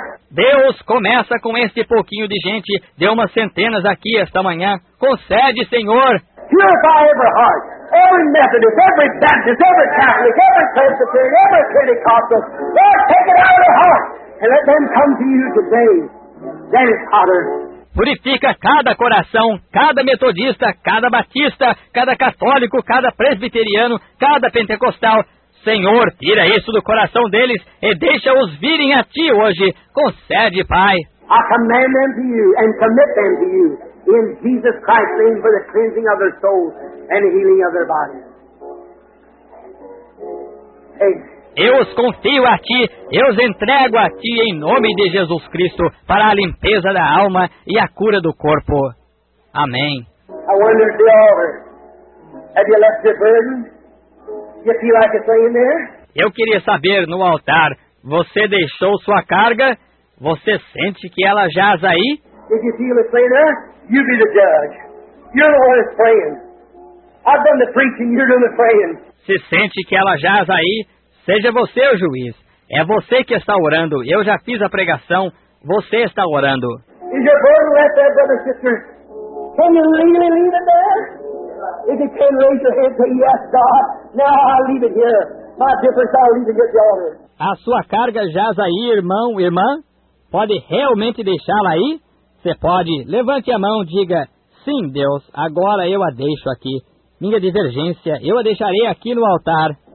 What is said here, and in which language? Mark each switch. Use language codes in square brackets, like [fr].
[pt] Deus começa com este pouquinho de gente de umas centenas aqui esta manhã. Concede, Senhor. [en] Purify every heart, every Methodist, every Baptist, every Catholic, every Presbyterian, every Pentecostal. Lord, take it out of their heart and let them come to you today. than his father. [pt] Purifica cada coração, cada metodista, cada batista, cada católico, cada presbiteriano, cada pentecostal. Senhor, tira isso do coração deles e deixa-os virem a Ti hoje. Concede, Pai. [en] I command them to you and commit them to you in Jesus Christ's name for the cleansing of their souls and healing of their bodies. [pt] Eu os confio a Ti, eu os entrego a Ti em nome de Jesus Cristo para a limpeza da alma e a cura do corpo. Amém. [en] I wonder if you're over. Have you left your burden? Do you feel like it's laying there? [pt] Eu queria saber, no altar, você deixou sua carga? Você sente que ela jaz aí? [en] Did you feel it's laying there? You be the judge. You're the one that's praying. I've done the preaching, you're doing the praying. [pt] Se sente que ela jaz aí, seja você o juiz. É você que está orando. Eu já fiz a pregação. Você está orando. [en] Is your burden left there, brother, sister? Can you really leave it there? If you can't raise your hand, say yes, God. Now I'll leave it here. My difference, I'll leave it here, daughter. [pt] A sua carga jaz aí, irmão, irmã? Pode realmente deixá-la aí? Você pode. Levante a mão, diga, sim, Deus, agora eu a deixo aqui. Minha divergência, eu a deixarei aqui no altar.